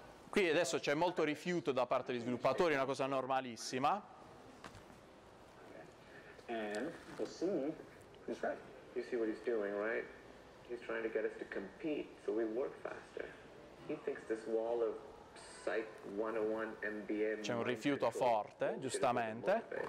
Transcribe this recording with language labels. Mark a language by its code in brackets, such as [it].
[it] Qui adesso c'è molto rifiuto da parte degli sviluppatori, una cosa normalissima. [en] He's trying to get us to compete, so we work faster. He thinks this wall of psych 101 MBA. [it] C'è un rifiuto forte, giustamente.